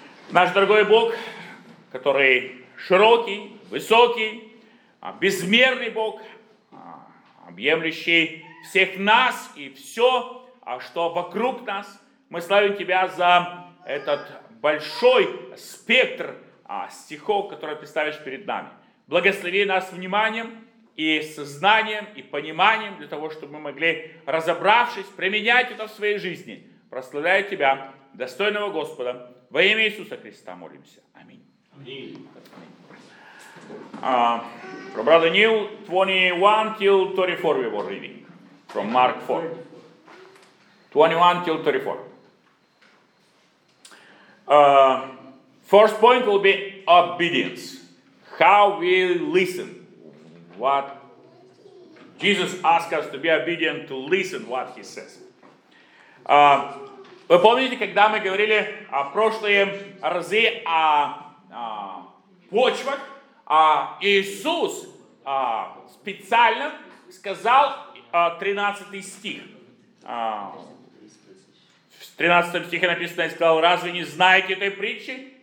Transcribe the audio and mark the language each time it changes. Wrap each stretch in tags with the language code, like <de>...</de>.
<ru>Наш дорогой Бог, который широкий, высокий, безмерный Бог, объемлющий всех нас и все, что вокруг нас, мы славим Тебя за этот большой спектр стихов, которые Ты ставишь перед нами. Благослови нас вниманием и сознанием, и пониманием, для того, чтобы мы могли, разобравшись, применять это в своей жизни. Прославляю Тебя, достойного Господа. Во имя Иисуса Христа молимся. Аминь.</ru> <en>From Brother Neil, 21 till 34 we were reading. From Mark 4. 21 till 34. First point will be obedience. How we listen. What Jesus asked us to be obedient, to listen what he says.</en> <ru>Вы помните, когда мы говорили о прошлые разы о почвах, Иисус специально сказал 13 стих. В 13 стихе написано, и сказал, разве не знаете этой притчи?</ru>